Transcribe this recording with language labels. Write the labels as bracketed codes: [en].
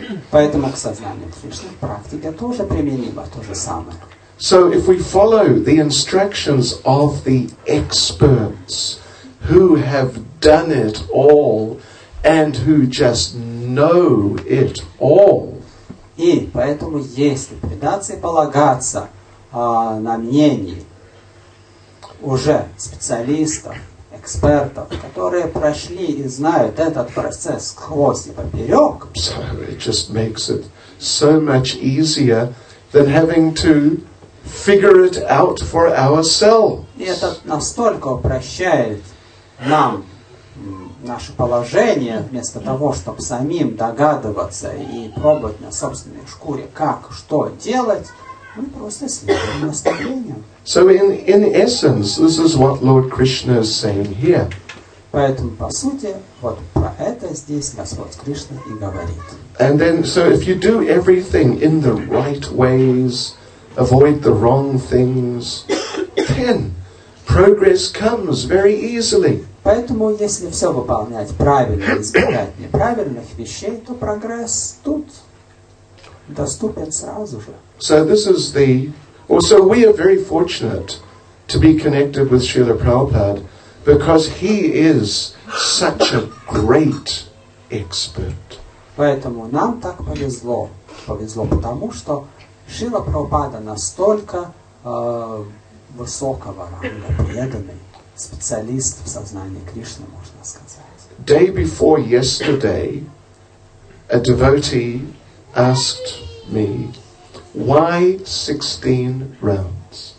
[ru] Поэтому к сознанию Кришны практика тоже применима, то же самое. [en] So, if we follow the instructions of the experts who have done it all and who just know it all. [ru] И поэтому, если предаться и полагаться на мнение уже специалистов, экспертов, которые прошли и знают этот процесс сквозь и поперек, [en] so it just makes it so much easier than having to figure it out for ourselves. [ru] И это настолько упрощает нам наше положение, вместо того, чтобы самим догадываться и пробовать на собственной шкуре, как, что делать, мы просто следуем наставлениям. [en] So in essence, this is what Lord Krishna is saying here. [ru] Поэтому, по сути, вот про это здесь Господь Кришна и говорит. [en] And then, so if you do everything in the right ways, avoid the wrong things, then progress comes very easily. [ru] Поэтому, если все выполнять правильно, избегать неправильных вещей, то прогресс тут доступен сразу же. [en] So this is the. Also, we are very fortunate to be connected with Srila Prabhupada because he is such a great expert. [ru] Поэтому нам так повезло. Повезло потому, что Шрила Прабхупада настолько высокого ранга, преданный. Специалист в сознании Кришны, можно сказать. [en] Day before yesterday, a devotee asked me, why 16 rounds?